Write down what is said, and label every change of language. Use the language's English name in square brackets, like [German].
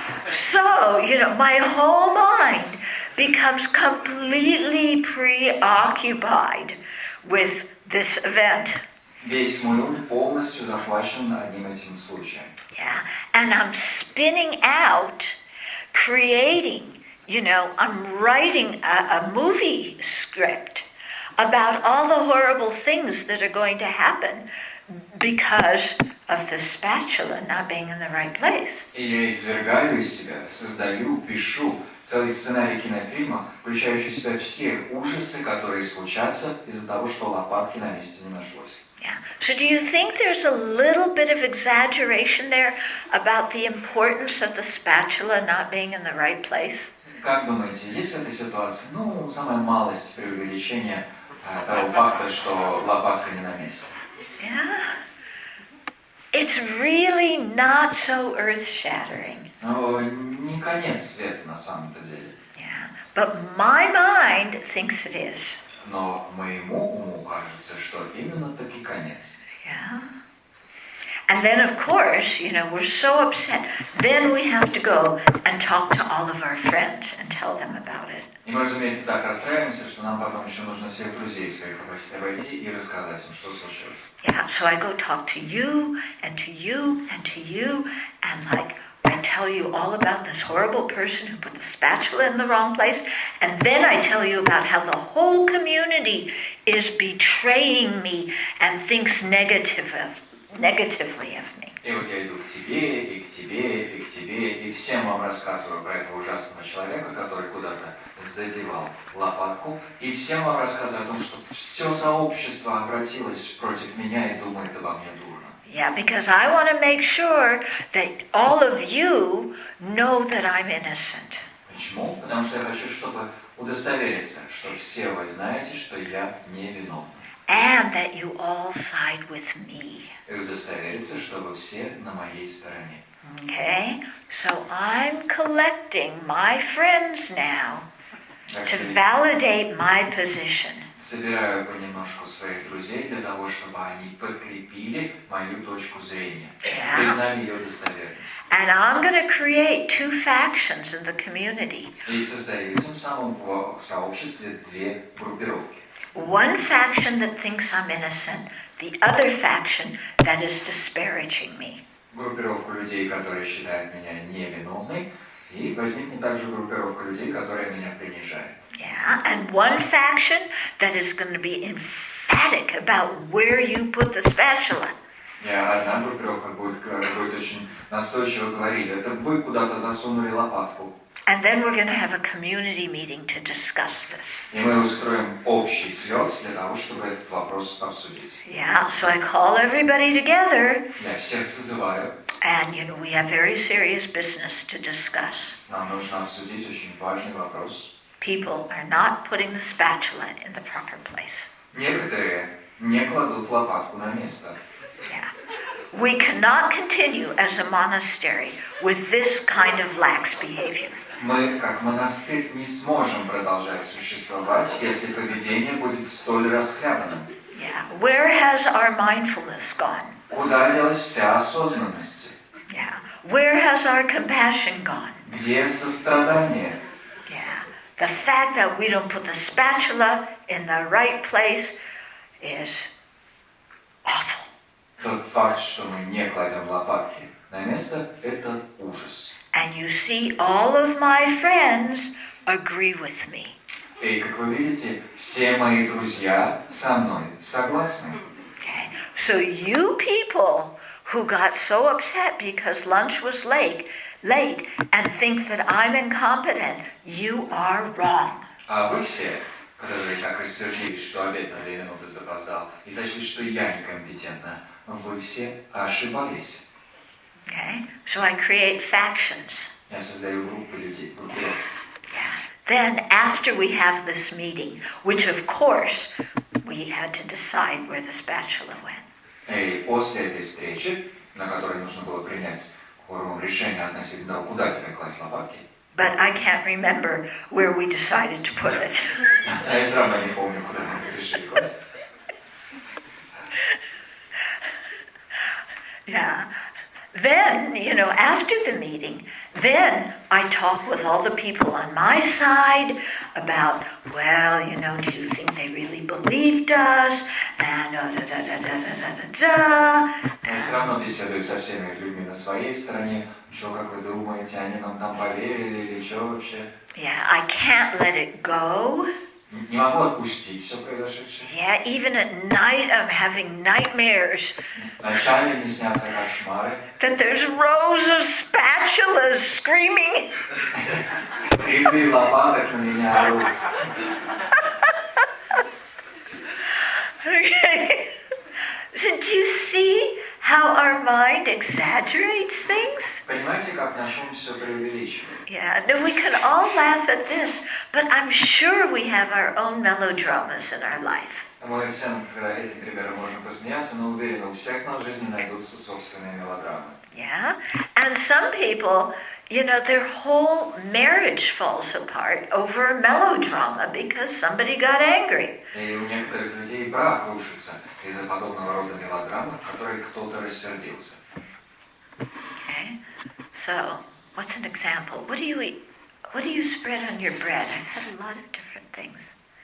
[English] So, you know, my whole mind becomes completely preoccupied with this event. [Russian] Весь мой ум полностью захвачен одним этим случаем. [English] Yeah, and I'm spinning out, creating. You know, I'm writing a movie script about all the horrible things that are going to happen because of the spatula not being in the right place. [Russian] И я извергаю из себя, создаю, пишу целый сценарий кинофильма, включающий в себя все ужасы, которые случатся из-за того, что лопатки на месте не нашлось. Yeah. [English] So do you think there's a little bit of exaggeration there about the importance of the spatula not being in the right place? [Russian] Как думаете, есть ли эта ситуация? Ну, самая малость преувеличения того факта, что лопатка не на месте. [English] It's really not so earth-shattering. [Russian] Но не конец света на самом-то деле. [English] But my mind thinks it is. [Russian] Но моему уму кажется, что именно так и конец. [English] And then, of course, you know, we're so upset. Then we have to go and talk to all of our friends and tell them about it. [Russian] И мы, разумеется, так расстраиваемся, что нам потом еще нужно всех друзей своих обойти и рассказать им, что случилось. [English] Yeah, so I go talk to you and to you and to you and, like, I tell you all about this horrible person who put the spatula in the wrong place, and then I tell you about how the whole community is betraying me and thinks negatively of me. [Russian] И вот я иду к тебе, и к тебе, и к тебе, и всем вам рассказываю про этого ужасного человека, который куда-то задевал лопатку, и всем вам рассказываю о том, что все сообщество обратилось против меня и думает обо мне дурно. [English] Yeah, because I want to make sure that all of you know that I'm innocent. [Russian] Почему? Потому что я хочу, чтобы удостовериться, что все вы знаете, что я не виновен. [English] And that you all side with me. [Russian] И удостовериться, что вы все на моей стороне. [English] Okay, so I'm collecting my friends now to validate my position. [Russian] Собираю понемножку своих друзей для того, чтобы они подкрепили мою точку зрения. Признали ее достоверность. [English] And I'm going to create 2 factions in the community. [Russian] И создаю тем самым в сообществе 2 группировки. [English] One faction that thinks I'm innocent, the other faction that is disparaging me. [Russian] Группировка людей, которые считают меня невиновной, и возникнет также группировка людей, которые меня принижают. [English] Yeah, and one faction that is going to be emphatic about where you put the spatula. Yeah, [Russian] одна группировка будет очень настойчиво говорить, это вы куда-то засунули лопатку. [English] And then we're going to have a community meeting to discuss this. [Russian] И мы устроим общий съезд для того, чтобы этот вопрос обсудить. [English] Yeah, so I call everybody together. [Russian] Я всех созываю. [English] And you know, we have very serious business to discuss. [Russian] Нам нужно обсудить очень важный вопрос. [English] People are not putting the spatula in the proper place. [Russian] Некоторые не кладут лопатку на место. [English] Yeah. We cannot continue as a monastery with this kind of lax behavior. [Russian] Мы как монастырь не сможем продолжать существовать, если поведение будет столь расхлябанным. [English] Yeah. Where has our mindfulness gone? [Russian] Куда делась вся осознанность? [English] Yeah. Where has our compassion gone? [Russian] Где сострадание? [English] Yeah. The fact that we don't put the spatula in the right place is awful. [Russian] Тот факт, что мы не кладем лопатки на место, это ужас. [English] And you see, all of my friends agree with me. [Russian] И, как вы видите, все мои друзья со мной согласны. [English] Okay. So you people who got so upset because lunch was late and think that I'm incompetent, you are wrong. [Russian] А вы все, которые так рассердились, что обед на 2 минуты запоздал, и сочли, что я некомпетентна, вы все ошибались. [English] Okay, so I create factions. [Russian] Я создаю группы людей. [English] Then after we have this meeting, which of course we had to decide where the spatula went. [Russian] И после этой встречи, на которой нужно было принять кворум решение относительно того, куда теперь класть лопатки. [English] But I can't remember where we decided to put it. [Russian] Я все равно не помню, куда мы решили класть. [English] Yeah. Then, you know, after the meeting, then I talk with all the people on my side about, well, you know, do you think they really believed us? And da da da da da da da da. [Russian] Я все равно беседую со всеми людьми на своей стороне. Что, как вы думаете, они нам там поверили или что вообще? [English] Yeah, I can't let it go. [Russian] Не могу отпустить все произошедшее. [English] Yeah, even at night I'm having nightmares. [Russian] Ночами мне снятся кошмары. [English] That there's rows of spatulas screaming. [Russian] Ряды лопаток на меня орут. [English] Okay. So do you see how our mind exaggerates things? [Russian] Понимаете, как наш ум все преувеличивает? [English] Yeah, no, we can all laugh at this, but I'm sure we have our own melodramas in our life. [Russian] Мы все над этим примером можем посмеяться, но уверен, у всех нас в жизни найдутся собственные мелодрамы. [English] Yeah, and some people, you know, their whole marriage falls apart over a melodrama because somebody got angry. [Russian] И у некоторых людей брак рушится из-за подобного рода мелодрамы, в которой кто-то рассердился. [English] Okay, so... What's an example? What do you eat? What do you spread on your bread? I've had a lot of different things.